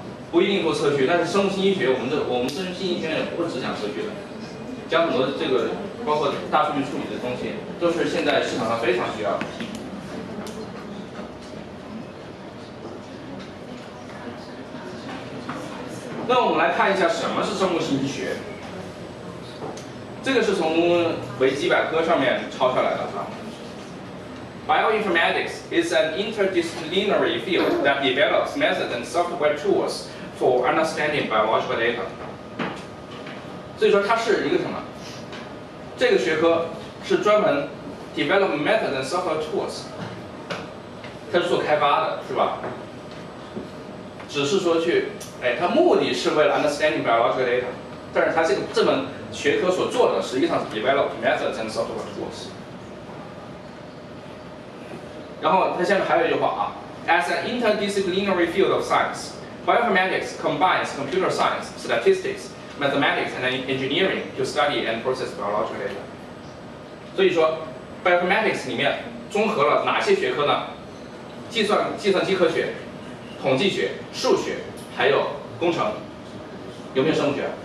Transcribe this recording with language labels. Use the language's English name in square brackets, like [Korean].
[Chinese] 不一定做测序，但是生物信息学，我们生物信息学院不是只讲测序的，讲很多这个包括大数据处理的东西，都是现在市场上非常需要的。那我们来看一下什么是生物信息学，这个是从维基百科上面抄下来的啊。 [English] Bioinformatics is an interdisciplinary field that develops methods and software tools. For understanding biological data， [Chinese] 所以说它是一个什么？这个学科是专门 [English] develop methods and software tools， [Chinese] 它是做开发的，是吧？只是说去，它目的是为了 [English] understanding biological data， [Chinese] 但是它这门学科所做的实际上是 [English] develop methods and software tools。 [Chinese] 然后它下面还有一句话啊 ， [English] as an interdisciplinary field of science。 Bioinformatics combines computer science, statistics, mathematics, and engineering to study and process biological data. [Chinese] 所以说 ，bioinformatics 里面综合了哪些学科呢？计算机科学、统计学、数学，还有工程。有没有生物学？